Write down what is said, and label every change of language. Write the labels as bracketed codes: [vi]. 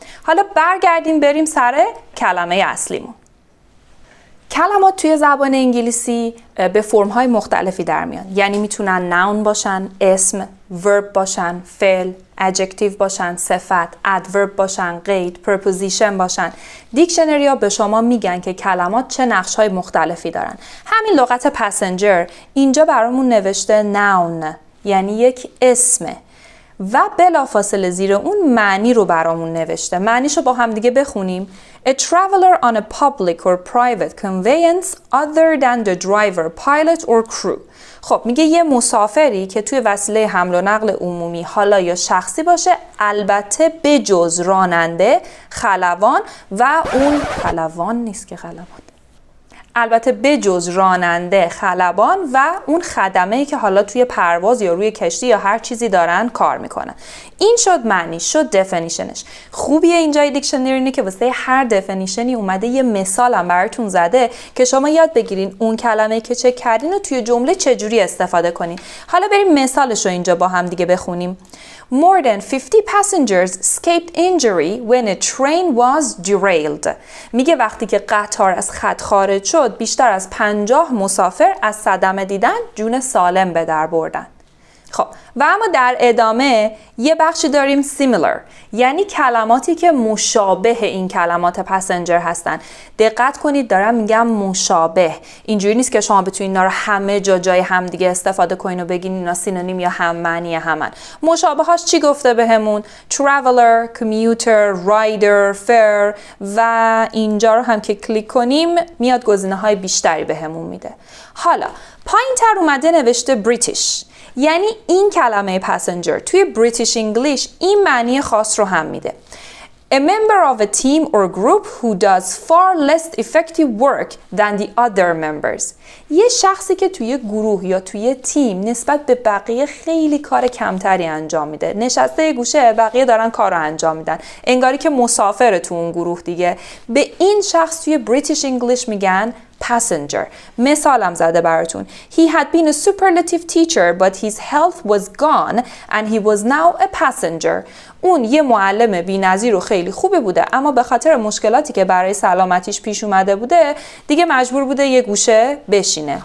[fa] حالا برگردیم بریم سر کلمه اصلیمون. کلمات توی زبان انگلیسی به فرم‌های مختلفی در میان، یعنی میتونن noun باشن، اسم، verb باشن، فعل، adjective باشن، صفت، adverb باشن، قید، preposition باشن. دیکشنری ها به شما میگن که کلمات چه نقش‌های مختلفی دارن. همین لغت passenger اینجا برامون نوشته noun، یعنی یک اسمه، و بلافاصله زیر اون معنی رو برامون نوشته. معنیشو با هم دیگه بخونیم. [en] A traveler on a public or private conveyance other than the driver, pilot or crew. [fa] خب میگه یه مسافری که توی وسیله حمل و نقل عمومی حالا یا شخصی باشه، البته بجز راننده، خلبان و اون خلبان نیست که خلبان. البته بجز راننده، خلبان و اون خدمه ای که حالا توی پرواز یا روی کشتی یا هر چیزی دارن کار میکنن. این شد معنی، شد دفینیشنش. خوبیه اینجای دیکشنری اینه که واسه هر دفینیشنی اومده یه مثال هم براتون زده که شما یاد بگیرین اون کلمه که چک کردین رو توی جمله چجوری استفاده کنین. حالا بریم مثالش رو اینجا با هم دیگه بخونیم. [en] More than 50 passengers escaped injury when a train was derailed. [fa] میگه وقتی که قطار از خط خارج شد، بیشتر از 50 مسافر از صدمه دیدن جون سالم به در بردن. خب، و اما در ادامه یه بخشی داریم similar، یعنی کلماتی که مشابه این کلمات passenger هستن. دقت کنید دارم میگم مشابه، اینجوری نیست که شما بتونید اینا رو همه جا جای هم دیگه استفاده کنین و بگین اینا سینونیم یا هم معنی همن. مشابهاش چی گفته بهمون؟ traveler، commuter، rider، fare، و اینجا رو هم که کلیک کنیم میاد گزینه‌های بیشتری بهمون میده. حالا پایین تر اومده نوشته British، یعنی این کلمه passenger توی British English این معنی خاص رو هم میده. [en] A member of a team or group who does far less effective work than the other members. [fa] یه شخصی که توی گروه یا توی تیم نسبت به بقیه خیلی کار کمتری انجام میده. نشسته گوشه بقیه دارن کار رو انجام میدن. انگاری که مسافر تو اون گروه دیگه. به این شخص توی British English میگن passenger. مثالم زده براتون. [en] He had been a superlative teacher but his health was gone and he was now a passenger. [fa] اون یه معلم بی نظیر و خیلی خوبه بوده، اما به خاطر مشکلاتی که برای سلامتیش پیش اومده بوده دیگه مجبور بوده یه گوشه بشینه.